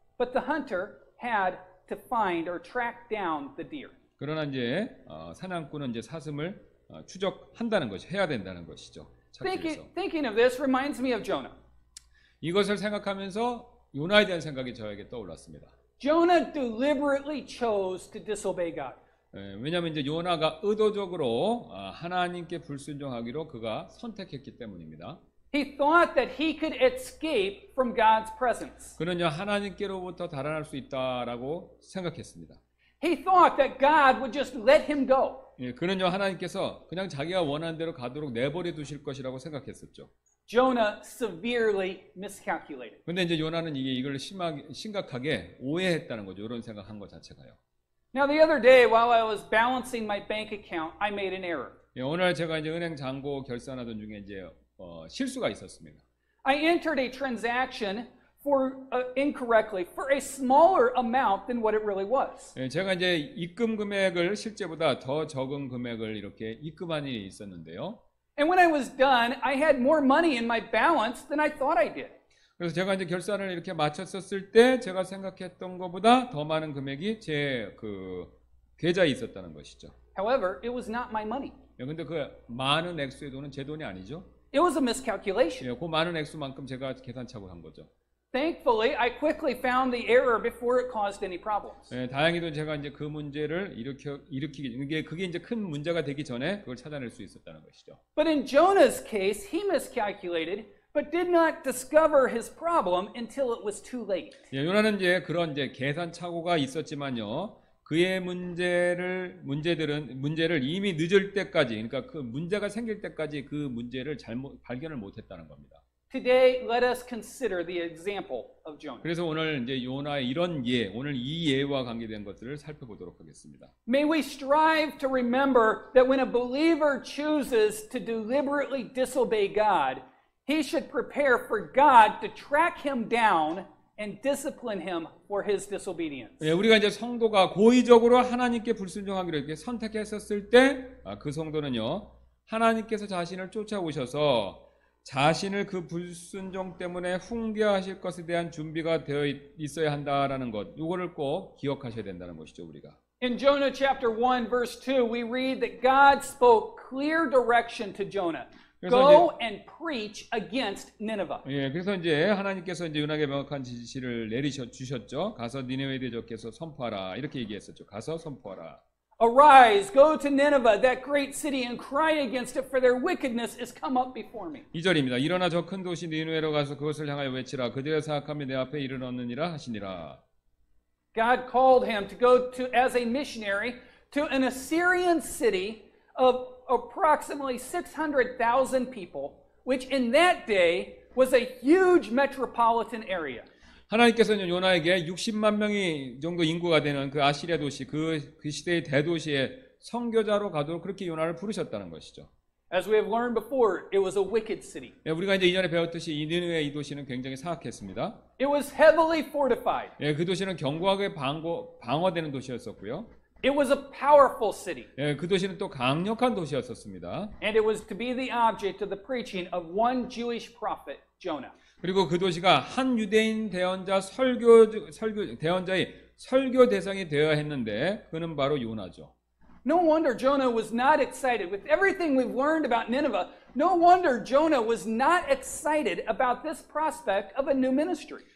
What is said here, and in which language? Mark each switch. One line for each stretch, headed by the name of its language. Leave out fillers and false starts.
English: But the hunter had to find or track down the deer.
Korean: 그러나 이제 사냥꾼은 이제 사슴을 추적한다는 것이 해야 된다는 것이죠.
English: Thinking of this reminds me of Jonah.
Korean: 이것을 생각하면서 요나에 대한 생각이 저에게 떠올랐습니다.
English: Jonah deliberately chose to disobey God.
Korean: 왜냐하면 이제 요나가 의도적으로 하나님께 불순종하기로 그가 선택했기 때문입니다.
English: He thought that he could escape from God's presence.
Korean: 그는요 하나님께로부터 달아날 수 있다라고 생각했습니다.
English: He thought that God would just let him go.
Korean: 예, 그는요 하나님께서 그냥 자기가 원하는 대로 가도록 내버려 두실 것이라고 생각했었죠.
English: Jonah severely miscalculated.
Korean: 근데 이제 요나는 이게 이걸 심각하게 오해했다는 거죠. 이런 생각한 것 자체가요.
English: Now the other day while I was balancing my bank account, I made an error.
Korean: 예, 오늘 제가 이제 은행 잔고 결산하던 중에 이제 실수가 있었습니다.
English: I entered a transaction for incorrectly for a smaller amount than what it really was.
Korean: 제가 이제 입금 금액을 실제보다 더 적은 금액을 이렇게 입금한 일이 있었는데요.
English: And when I was done, I had more money in my balance than I thought I did.
Korean: 그래서 제가 이제 결산을 이렇게 마쳤었을 때 제가 생각했던 것보다 더 많은 금액이 제 그 계좌에 있었다는 것이죠.
English: However, it was not my money.
Korean: 예, 근데 그 많은 액수의 돈은 제 돈이 아니죠.
English: It was a miscalculation.
Korean: 예, 그 많은 액수만큼 제가 계산착오를 한 거죠.
English: Thankfully, I quickly found the error before it caused any problems.
Korean: 예, 다행히도 제가 이제 그 문제를 일으키기 그게 이제 큰 문제가 되기 전에 그걸 찾아낼 수 있었다는 것이죠.
English: But in Jonah's case, he miscalculated but did not discover his problem until it was too late.
Korean: 예, 요나는 이제 그런 이제 계산착오가 있었지만요. 그의 문제를 이미 늦을 때까지, 그러니까 그 문제가 생길 때까지 그 문제를 발견을 못했다는 겁니다.
English: Today, let us consider the example of Jonah.
Korean: 그래서 오늘 이제 요나의 이런 예, 오늘 이 예와 관계된 것들을 살펴보도록 하겠습니다.
English: May we strive to remember that when a believer chooses to deliberately disobey God, he should prepare for God to track him down and discipline him for his disobedience.
Korean: 예, 우리가 이제 성도가 고의적으로 하나님께 불순종하기로 이렇게 선택했었을 때, 그 성도는요 하나님께서 자신을 쫓아오셔서 자신을 그 불순종 때문에 훈계하실 것에 대한 준비가 되어 있어야 한다라는 것, 이거를 꼭 기억하셔야 된다는 것이죠 우리가.
English: In Jonah chapter 1 verse 2, we read that God spoke clear direction to Jonah. Go and preach against Nineveh.
Korean: 예, 그래서 이제 하나님께서 이제 요나에게 명확한 지시를 주셨죠. 가서 니느웨 대적께서 선포하라. 이렇게 얘기했었죠. 가서 선포하라.
English: Arise, go to Nineveh, that great city, and cry against it, for their wickedness is come up before me.
Korean: 2절입니다. 일어나 저 큰 도시 니느웨로 가서 그것을 향하여 외치라. 그들의 사악함이 내 앞에 이르렀느니라 하시니라.
English: God called him to go to as a missionary to an Assyrian city of approximately 600,000 people, which in that day was a huge metropolitan area.
Korean: 하나님께서는 요나에게 60만 명이 정도 인구가 되는 그 아시리아 도시, 그 시대의 대도시에 선교자로 가도록 그렇게 요나를 부르셨다는 것이죠.
English: As we have learned before, it was a wicked city.
Korean: 예, 우리가 이제 이전에 배웠듯이 니느웨 이 도시는 굉장히 사악했습니다.
English: It was heavily fortified.
Korean: 예, 그 도시는 견고하게 방어되는 도시였었고요.
English: It was a powerful city.
Korean: 예, 그 도시는 또 강력한 도시였었습니다.
English: And it was to be the object of the preaching of one Jewish prophet, Jonah.
Korean: 그리고 그 도시가 한 유대인 대언자 설교 대언자의 설교 대상이 되어야 했는데 그는 바로 요나죠.
English: No wonder Jonah was not excited. With everything we've learned about Nineveh, no wonder Jonah was not excited about this prospect of a new ministry.